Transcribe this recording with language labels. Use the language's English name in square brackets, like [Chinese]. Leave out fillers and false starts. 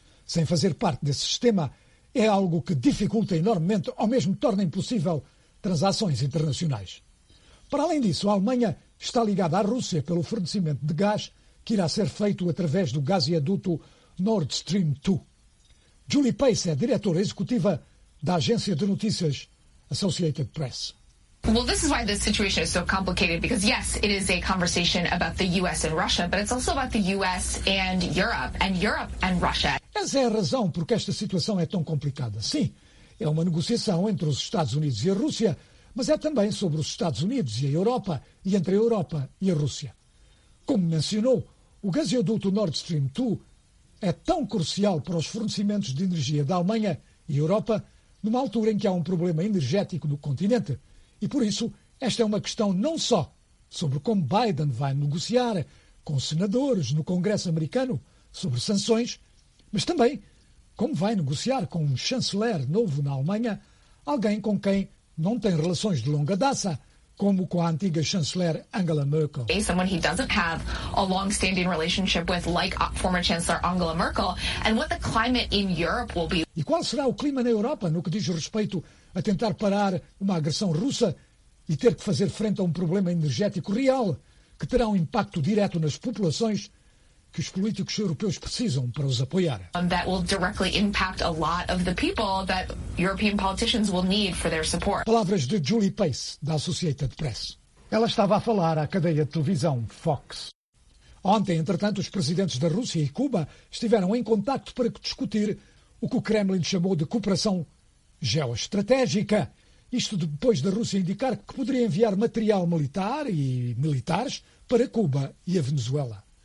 [Portuguese] Sem fazer parte desse sistema é algo que dificulta enormemente ou mesmo torna impossível transações internacionais. Para além disso, a Alemanha está ligada à Rússia pelo fornecimento de gás que irá ser feito através do gasoduto Nord Stream 2. Julie Pace é diretora executiva da agência de notícias Associated Press. [English] Well, this is why this situation is so complicated, because yes, it is a conversation about the U.S. and Russia, but it's also about the U.S. and Europe, and Europe and Russia. [Portuguese] Essa é a razão porque esta situação é tão complicada. Sim, é uma negociação entre os Estados Unidos e a Rússia, mas é também sobre os Estados Unidos e a Europa, e entre a Europa e a Rússia. Como mencionou, o gasoduto Nord Stream 2 é tão crucial para os fornecimentos de energia da Alemanha e Europa, numa altura em que há um problema energético no continente. E por isso, esta é uma questão não só sobre como Biden vai negociar com senadores no Congresso americano sobre sanções, mas também como vai negociar com um chanceler novo na Alemanha, alguém com quem não tem relações de longa data, como com a antiga chanceler Angela Merkel. [English] Someone he doesn't have a long-standing relationship with, like former chancellor Angela Merkel, and what the climate in Europe will be. [Portuguese] E qual será o clima na Europa no que diz respeito a tentar parar uma agressão russa e ter que fazer frente a um problema energético real que terá um impacto direto nas populações que os políticos europeus precisam para os apoiar. [English] That will directly impact a lot of the people that European politicians will need for their support. [Portuguese] Palavras de Julie Pace, da Associated Press. Ela estava a falar à cadeia de televisão Fox. Ontem, entretanto, os presidentes da Rússia e Cuba estiveram em contacto para discutir o que o Kremlin chamou de cooperação geoestratégica. Isto depois da Rússia indicar que poderia enviar material militar e militares para Cuba e a Venezuela.